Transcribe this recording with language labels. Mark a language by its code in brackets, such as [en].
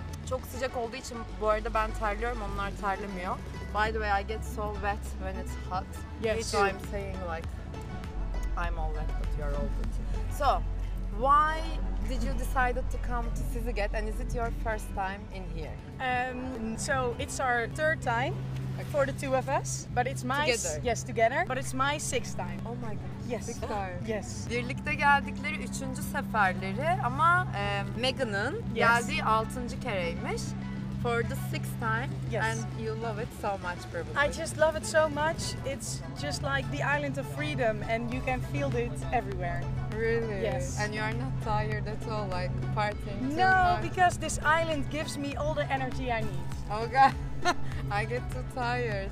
[tr] Çok sıcak olduğu için bu arada ben terliyorum, onlar terlemiyor. [en] By the way, I get so wet when it's hot. Yes. So I'm saying like I'm all wet, but you're all good. So, why did you decide to come to Sizigate and is it your first time in here? So it's our third time. Okay. For the two of us, but it's my together. Yes, together. But it's my sixth time. Oh my god. Yes. Sixth time. Yes. [tr] Birlikte geldikleri üçüncü seferleri ama Megan'ın geldiği altıncı kereymiş. [en] For the sixth time. Yes. And you love it so much, probably. I just love it so much. It's just like the island of freedom, and you can feel it everywhere. Really? Yes. And you are not tired at all, like partying. No, because this island gives me all the energy I need. Oh god. I get too tired.